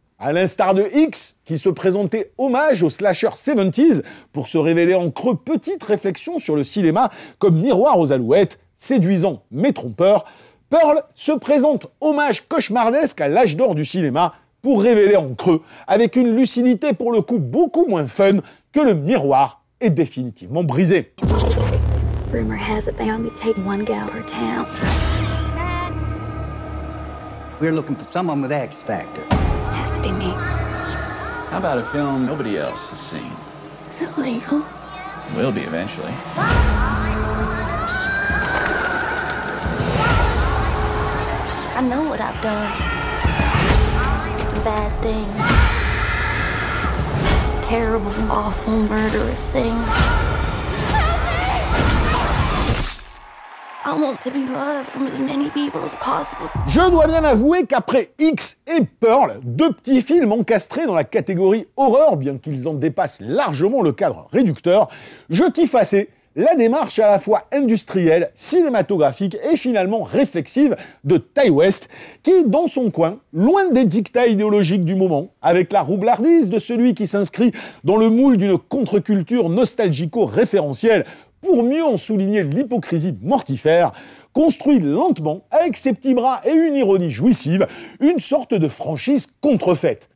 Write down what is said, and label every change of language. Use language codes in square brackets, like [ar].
[fr] À l'instar de X, qui se présentait hommage aux slasher 70s pour se révéler en creux petite réflexion sur le cinéma comme miroir aux alouettes, séduisant mais trompeur, Pearl se présente hommage cauchemardesque à l'âge d'or du cinéma pour révéler en creux, avec une lucidité pour le coup beaucoup moins fun, que le miroir est définitivement brisé. [en] Rumor has it they only take one gal per town. We're looking for someone with X factor. Has to be me. How about a film nobody else has seen? Is it legal? It will be eventually. I know what I've done. Bad things. Terrible, awful, murderous things. I want to be loved from as many people as possible. [fr] Je dois bien avouer qu'après X et Pearl, deux petits films encastrés dans la catégorie horreur, bien qu'ils en dépassent largement le cadre réducteur, je kiffe assez la démarche à la fois industrielle, cinématographique et finalement réflexive de Ty West, qui, dans son coin, loin des dictats idéologiques du moment, avec la roublardise de celui qui s'inscrit dans le moule d'une contre-culture nostalgico-référentielle pour mieux en souligner l'hypocrisie mortifère, construit lentement, avec ses petits bras et une ironie jouissive, une sorte de franchise contrefaite.